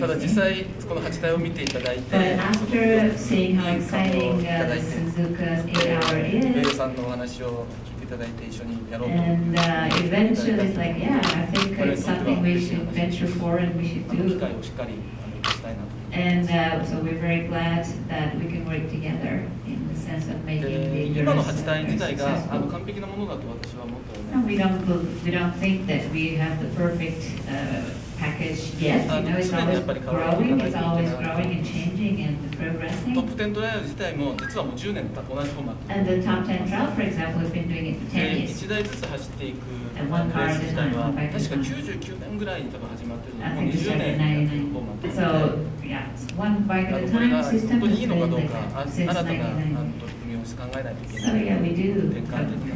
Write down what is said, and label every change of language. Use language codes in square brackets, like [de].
[ja] ただ実際この8台を見ていただいて、 [en] after seeing how exciting Suzuka's 8-hour is, [ja] ベロさんのお話を聞いていただいて一緒にやろうと、 [en] and eventually it's like, yeah, I think it's something we should venture for and we should do. [ja] 機会をしっかり [en] And so we're very glad that we can work together in the sense. [ja] 今の8体自体が完璧なものだと私は思っております [en] We don't think that we have the perfect package yet. You know, it's always growing, it's always growing and changing and progressing. [ja] トップ10トライアル自体も実はもう10年経った同じフォーマット。 [en] And the top 10 trial, for example, we've been doing it for 10 years. [ja] 1台ずつ走っていくレース自体は確か99年ぐらいに多分始まってるので、もう20年やってるフォーマットで。これが本当にいいのかどうか、新たな取り組みを考えないといけない。